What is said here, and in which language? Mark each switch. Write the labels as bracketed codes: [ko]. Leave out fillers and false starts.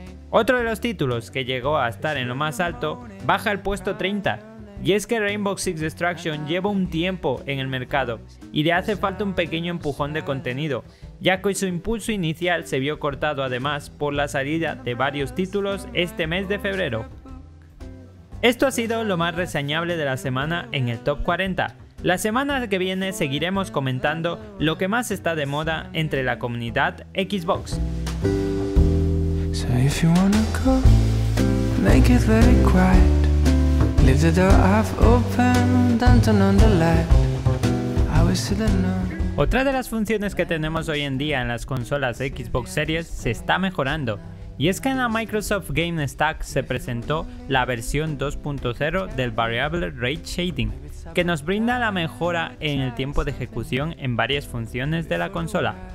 [es] Otro de los títulos que llegó a estar en lo más alto baja al puesto 30, y es que Rainbow Six Extraction lleva un tiempo en el mercado y le hace falta un pequeño empujón de contenido, ya que su impulso inicial se vio cortado además por la salida de varios títulos este mes de febrero. Esto ha sido lo más reseñable de la semana en el top 40. La semana que viene seguiremos comentando lo que más está de moda entre la comunidad Xbox. [en] So if you wanna go, make it very quiet. Leave the door half open, don't turn on the light. I will see the moon. [es] Otra de las funciones que tenemos hoy en día en las consolas Xbox Series se está mejorando, y es que en la Microsoft Game Stack se presentó la versión 2.0 del Variable Rate Shading, que nos brinda la mejora en el tiempo de ejecución en varias funciones de la consola.